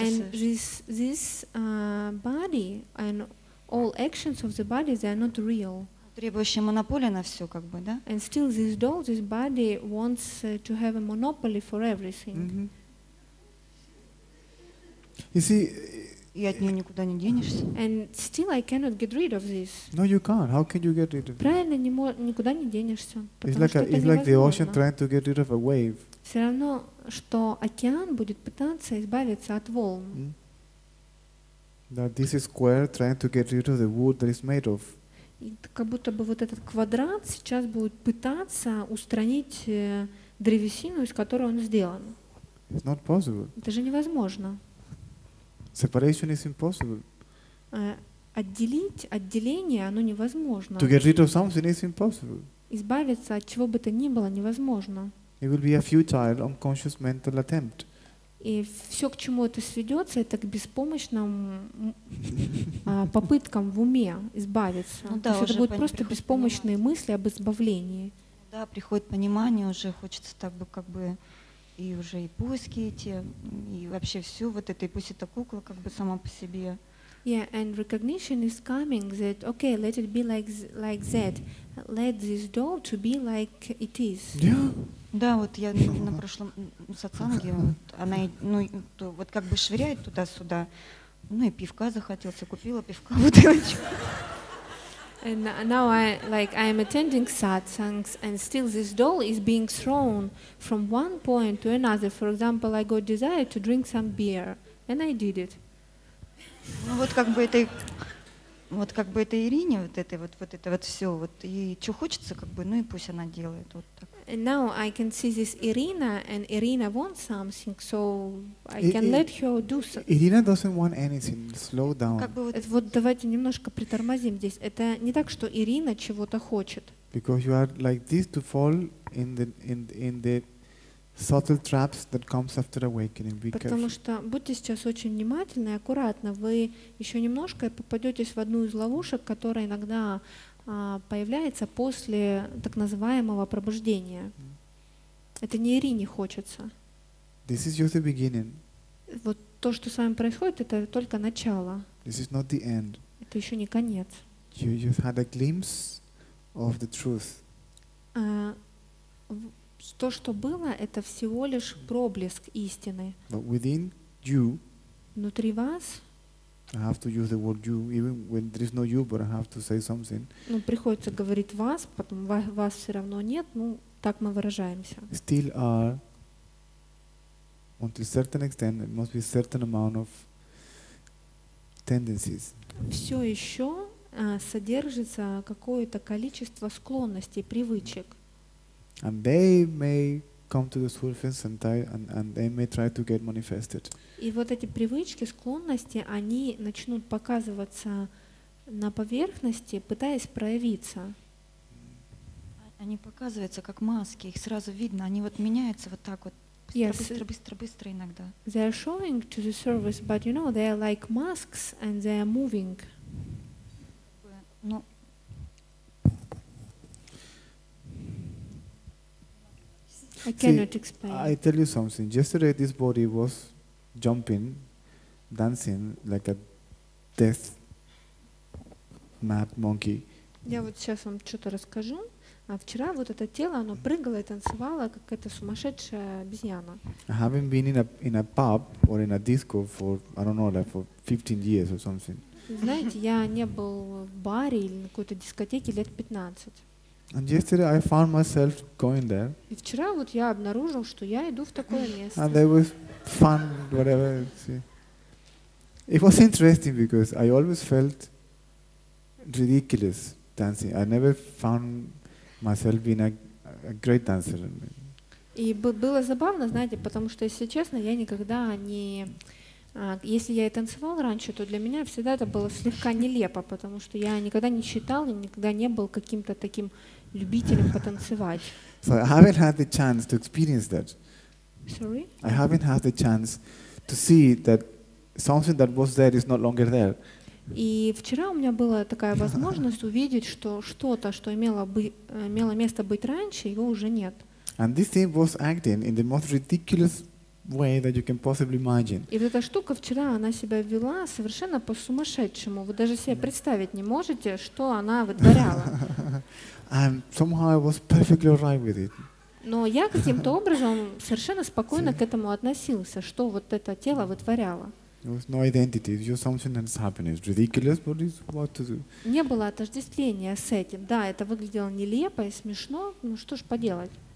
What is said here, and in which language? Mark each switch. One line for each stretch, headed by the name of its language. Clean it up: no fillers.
English: And this body and all actions of the body, they are not real.
Russian: Требующая монополия на все, как бы, да?
English: And still this doll, this body wants to have a monopoly for everything. You see,
Russian: и от нее никуда не денешься.
English: And still I cannot get rid of this. No, you can't. How can you get rid of this?
Russian: Правильно, никуда не денешься.
English: It's like the ocean trying to get rid of a wave.
Russian: Все равно, что океан будет пытаться избавиться от волн.
English: That this is square trying to get rid of the wood that it's made of.
Russian: И как будто бы вот этот квадрат сейчас будет пытаться устранить древесину, из которой он сделан.
English: It's not possible.
Russian: Это же невозможно.
English: Separation is impossible.
Russian: Отделение, оно невозможно.
English: To get rid of something is impossible.
Russian: Избавиться от чего бы то ни было невозможно.
English: It will be a futile, unconscious mental attempt.
Russian: И все, к чему это сведется, это к беспомощным попыткам в уме избавиться. Ну, да, то есть это будут просто беспомощные понимание. Мысли об избавлении. Да, приходит понимание, уже хочется так бы как бы и уже и поиски эти, и вообще все вот это, и пусть эта кукла как бы сама по себе.
English: Yeah, and recognition is coming that, okay, let it be like that. Let this doll to be like it is. Yeah.
Russian: Да, вот я на прошлом сатсанге, вот, она ну, то, вот как бы швыряет туда-сюда, ну и пивка захотелся, купила пивка, бутылочку.
English: And now I am attending satsangs, and still this doll is being thrown from one point to another. For example, I got desire to drink some beer, and I did it.
Russian: Ну вот как бы это... Вот как бы это Ирине, вот это вот, вот это вот все, вот и что хочется, как бы, ну и пусть она делает вот так.
English: And now I can see this Irina, and Irina wants something, so I can let her do something. Irina doesn't want anything. Slow down.
Russian: Как бы вот, это, вот давайте немножко притормозим здесь. Это не так, что Ирина чего-то хочет.
English: Because you are like this to fall in the subtle traps that comes after awakening. Be
Russian: Потому что будьте сейчас очень внимательны и аккуратны. Вы еще немножко попадетесь в одну из ловушек, которая иногда появляется после так называемого пробуждения. Это не Ирине хочется.
English: This is just the beginning.
Russian: Вот то, что с вами происходит, это только начало.
English: This is not the end.
Russian: Это еще не конец.
English: You just had a glimpse of the truth.
Russian: То, что было, это всего лишь проблеск истины.
English: But within you,
Russian: внутри вас,
English: I have to use the word you, even when there is no you, but I have to say something.
Russian: Ну, приходится говорить вас, потом вас все равно нет, ну, так мы выражаемся.
English: Still are, until certain extent, there must be a certain amount of tendencies.
Russian: Все еще содержится какое-то количество склонностей, привычек.
English: And they may come to the surface and they may try to get manifested.
Russian: И вот эти привычки, склонности, они начнут показываться на поверхности, пытаясь проявиться. Они показываются как маски, их сразу видно, они вот меняются вот так вот, быстро иногда.
English: They are showing to the surface, but you know, they are like masks and they are moving.
Russian: Но
English: I cannot explain. I tell you something. Yesterday this body was jumping, dancing like a death mad monkey.
Russian: Я вот сейчас вам что-то расскажу. А вчера вот это тело, оно прыгало и танцевало, как эта сумасшедшая обезьяна.
English: I haven't been in a pub or in a disco for, I don't know, like for 15 years or something.
Russian: Знаете, я не был в баре или на какой-то дискотеке лет 15.
English: And yesterday I found myself going there.
Russian: И вчера вот я обнаружил, что я иду в такое место.
English: And there was fun, whatever. See. It was interesting because I always felt ridiculous dancing. I never found myself being a great dancer.
Russian: И было забавно, знаете, потому что, если честно, я никогда не... Если я и танцевал раньше, то для меня всегда это было слегка нелепо, потому что я никогда не считал и никогда не был каким-то таким любителем потанцевать.
English: So I haven't had the chance to experience that. Sorry? I haven't had the chance to see that something that was there is no longer there.
Russian: И вчера у меня была такая возможность увидеть, что что-то, что имело место быть раньше, его уже нет.
English: And this thing was acting in the most ridiculous way that you can possibly imagine.
Russian: И вот эта штука вчера она себя вела совершенно по-сумасшедшему. Вы даже себе представить не можете, что она вытворяла.
English: And somehow I was perfectly alright with it.
Russian: Но я каким-то образом совершенно спокойно к этому относился, что вот это тело вытворяло.
English: There was no identity. It's just something that's happening. It's ridiculous, but it's what to do.
Russian: Не было отождествления с этим. Да, это выглядело нелепо и смешно. Ну что ж поделать.